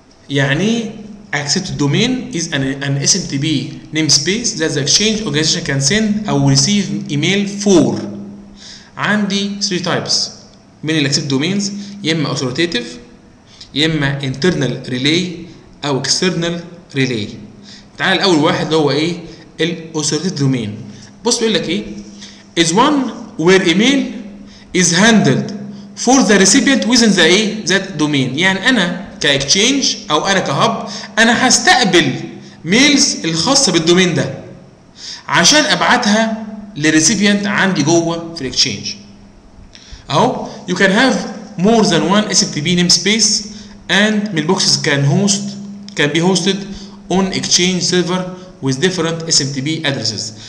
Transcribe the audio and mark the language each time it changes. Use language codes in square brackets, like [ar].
[ar] يعني [en] accept domain is an SMTP namespace that the exchange organization can send or receive email for. [ar] عندي 3 types من ال accept domains: يما authoritative يما internal relay أو external relay. تعال الأول واحد اللي هو إيه؟ ال authoritative domain. بص بيقول لك إيه؟ [en] is one where email is handled for the recipient within the إيه؟ that domain. [ar] يعني أنا كاكتشينج او انا كهب انا هستقبل ميلز الخاصه بالدومين ده عشان ابعتها للريسيبيانت عندي جوه في الاكتشينج اهو. [en] You can have more than one S T P name space and mail boxes can host can be hosted on Exchange server with different S T P addresses.